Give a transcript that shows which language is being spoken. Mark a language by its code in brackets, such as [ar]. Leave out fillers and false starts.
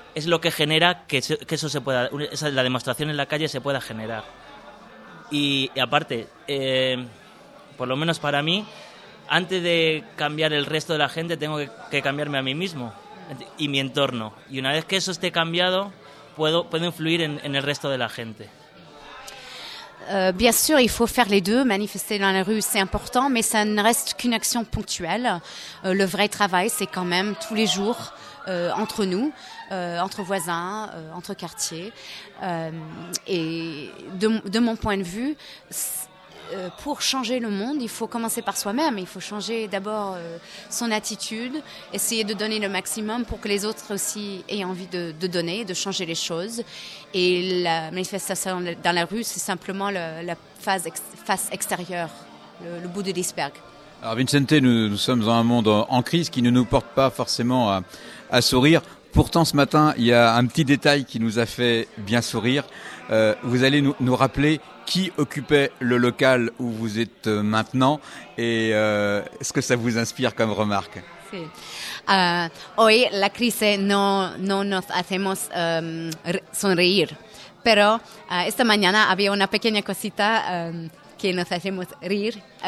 [es] es lo que genera que eso se pueda, esa, la demostración en la calle se pueda generar. Y aparte, por lo menos para mí, antes de cambiar el resto de la gente, tengo que cambiarme a mí mismo y mi entorno. Y una vez que eso esté cambiado, puedo influir en el resto de la gente. [fr] Bien sûr, il faut faire les deux. Manifester dans la rue, c'est important, mais ça ne reste qu'une action ponctuelle. Le vrai travail, c'est quand même tous les jours, entre nous, entre voisins, entre quartiers. Et de mon point de vue, pour changer le monde, il faut commencer par soi-même. Il faut changer d'abord son attitude, essayer de donner le maximum pour que les autres aussi aient envie de donner, de changer les choses. Et la manifestation dans la rue, c'est simplement la face extérieure, le bout de l'iceberg. Alors Vicente, nous sommes dans un monde en crise qui ne nous porte pas forcément à sourire. Pourtant, ce matin, il y a un petit détail qui nous a fait bien sourire. Vous allez nous rappeler qui occupait le local où vous êtes maintenant et est-ce que ça vous inspire comme remarque ? [es] Hoy la crise no nos hacemos sonreír, pero esta mañana había una pequeña cosita que nos hacemos reír.